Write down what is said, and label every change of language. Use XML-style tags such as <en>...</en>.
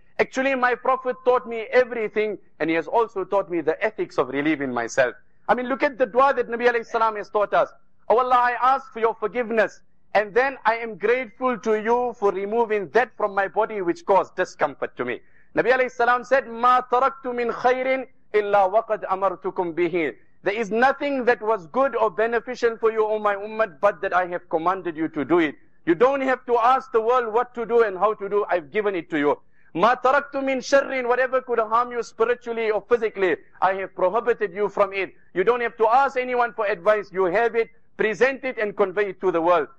<en>Actually, my Prophet taught me everything, and he has also taught me the ethics of relieving myself. I mean, look at the dua that Nabi alayhi salam has taught us. Oh Allah, I ask for your forgiveness, and then I am grateful to you for removing that from my body which caused discomfort to me. Nabi alayhi salam said,</en> <ar>مَا تَرَكْتُ مِنْ خَيْرٍ إِلَّا وَقَدْ أَمَرْتُكُمْ بِهِ.</ar> <en>There is nothing that was good or beneficial for you, O my ummah, but that I have commanded you to do it. You don't have to ask the world what to do and how to do. I've given it to you.</en> <ar>مَا تَرَكْتُ مِنْ شَرٍ.</ar> <en>Whatever could harm you spiritually or physically, I have prohibited you from it. You don't have to ask anyone for advice. You have it. Present it and convey it to the world.</en>